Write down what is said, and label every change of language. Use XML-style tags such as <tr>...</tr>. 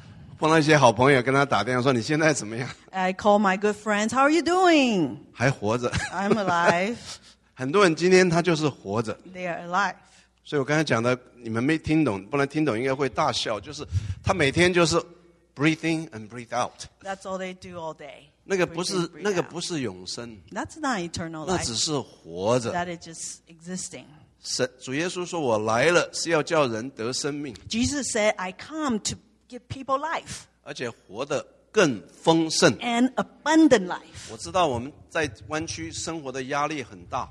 <zh>我碰到一些好朋友跟他打电话说你现在怎么样?</zh> <en>I call my good friends, how are you doing?</en> <zh>还活着。</zh> <en>I'm alive.</en> <zh>很多人今天他就是活着。</zh> <en>They are alive.</en> <zh>所以我刚才讲的,你们没听懂,不能听懂,应该会大笑,就是他每天就是</zh> <en>breathe in and breathe out. That's all they do all day.</en> <zh>那个不是永生。</zh> <en>That's not eternal life.</en> <zh>那只是活着。</zh> <en>That is just existing.</en> <zh>主耶稣说,我来了是要叫人得生命。</zh> <en>Jesus said, I come to give people life.</en> <zh>而且活得更丰盛。</zh> <en>And abundant life.</en> <zh>我知道我们在湾区生活的压力很大。</zh>